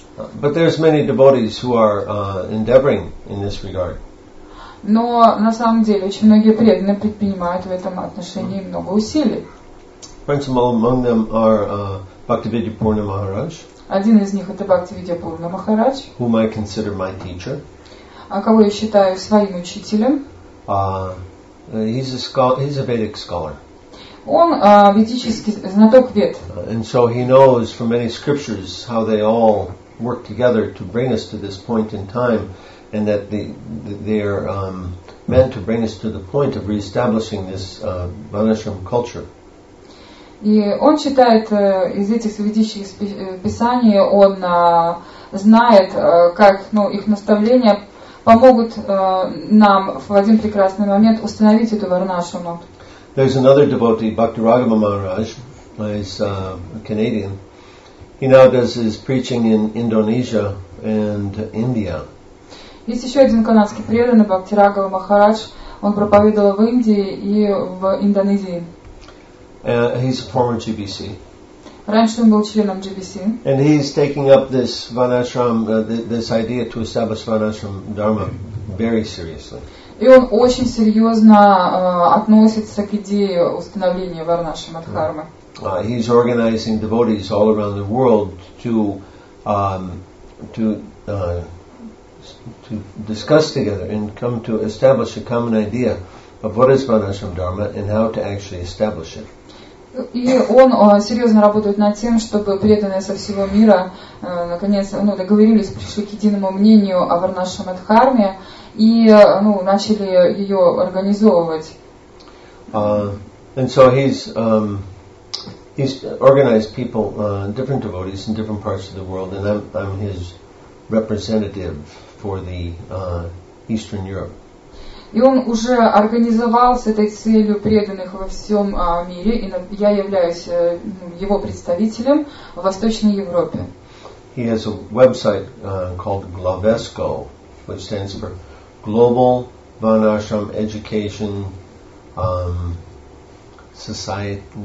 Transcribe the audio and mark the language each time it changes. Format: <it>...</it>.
<en>But there's many devotees who are endeavoring in this regard.</en> <ru>Но на самом деле очень многие преданные предпринимают в этом отношении много усилий.</ru> <en>Principal among them are Bhaktivedya Purna Maharaj.</en> <ru>Один из них это Бхактивидья Пурна Махарадж.</ru> <en>Whom I consider my teacher.</en> <ru>А кого я считаю своим учителем?</ru> <en>He's a Vedic scholar.</en> <ru>Он ведический знаток Вед.</ru> <en>And so he knows from many scriptures how they all work together to bring us to this point in time, and that they're meant to bring us to the point of reestablishing this Vanashram culture.</en> <ru>И он читает из этих ведических писаний, он знает, как их наставления помогут нам в один прекрасный момент установить эту варнашраму.</ru> <en>There's another devotee, Bhakti Raghava Maharaj, he's a Canadian. He now does his preaching in Indonesia and India.</en> <ru>Есть еще один канадский преданный, Бхакти Рагава Махарадж. Он проповедовал в Индии и в Индонезии.</ru> <en>He's a former GBC.</en> <ru>Раньше он был членом GBC.</ru> <en>And he's taking up this Vanashram, this idea to establish Vanashram Dharma very seriously.</en> <ru>И он очень серьезно относится к идее установления Варнашрама Дхармы.</ru> <en>He's organizing devotees all around the world to discuss together and come to establish a common idea of what is Varnashram Dharma and how to actually establish it.</en> <ru>И он серьезно работает над тем, чтобы преданные со всего мира наконец договорились, пришли к единому мнению о Варнашрам Дхарме и начали ее организовывать.</ru> <en>And so he's organized people, different devotees in different parts of the world, and I'm his representative for the Eastern Europe.</en> <ru>И он уже организовал с этой целью преданных во всем мире, и я являюсь его представителем в Восточной Европе.</ru> <en>He has a website called GLAVESCO, which stands for Global Vanashram Education Society.</en>